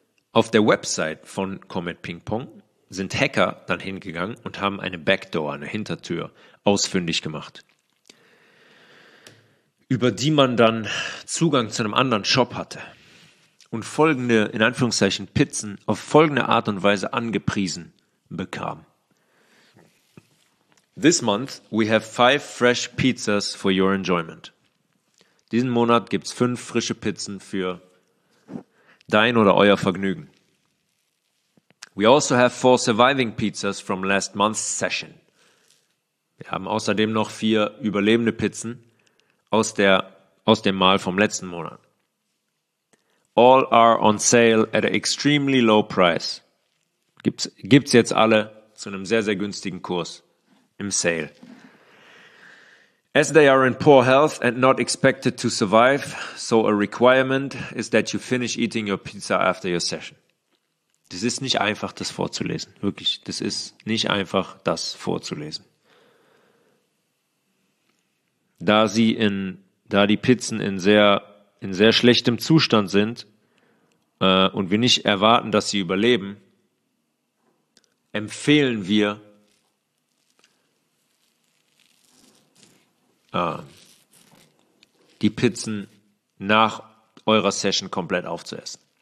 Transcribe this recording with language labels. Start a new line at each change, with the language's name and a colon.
German: Auf der Website von Comet Ping Pong sind Hacker dann hingegangen und haben eine Backdoor, eine Hintertür, ausfindig gemacht, über die man dann Zugang zu einem anderen Shop hatte und folgende, in Anführungszeichen, Pizzen auf folgende Art und Weise angepriesen bekam.
English: This month we have 5 fresh pizzas for your enjoyment.
German: Diesen Monat gibt's 5 frische Pizzen für dein oder euer Vergnügen.
English: We also have 4 surviving pizzas from last month's session.
German: Wir haben außerdem noch 4 überlebende Pizzen aus dem Mahl vom letzten Monat.
English: All are on sale at an extremely low price.
German: Gibt's jetzt alle zu einem sehr, sehr günstigen Kurs im Sale.
English: As they are in poor health and not expected to survive, so a requirement is that you finish eating your pizza after your session.
German: Das ist nicht einfach, das vorzulesen. Wirklich, das ist nicht einfach, das vorzulesen. Da die Pizzen in sehr schlechtem Zustand sind und wir nicht erwarten, dass sie überleben, empfehlen wir, die Pizzen nach eurer Session komplett aufzuessen.